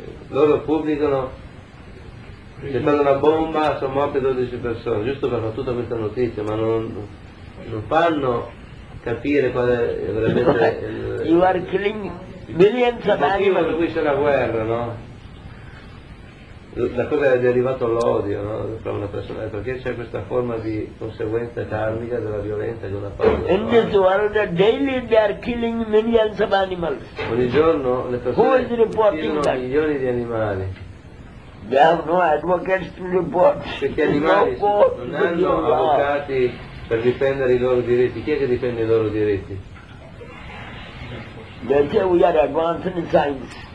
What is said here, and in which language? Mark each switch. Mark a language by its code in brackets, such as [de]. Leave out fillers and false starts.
[it] Loro pubblicano, c'è stata una bomba, sono morte 12 persone, giusto per fare tutta questa notizia, ma non fanno capire qual è veramente... [en] You are killing... Millions of animals. [it] Prima di cui c'è la guerra, no? Da cosa è derivato l'odio, no? Tra una persona, perché c'è questa forma di conseguenza karmica della violenza di una parte. [en] In this world daily they are killing millions of animals. [it] Ogni giorno le persone uccidono milioni di animali. [en] They have no advocates to report. [it] Perché gli animali non hanno avvocati per difendere i loro diritti. Chi è che difende i loro diritti? [en] They say we are advanced in science.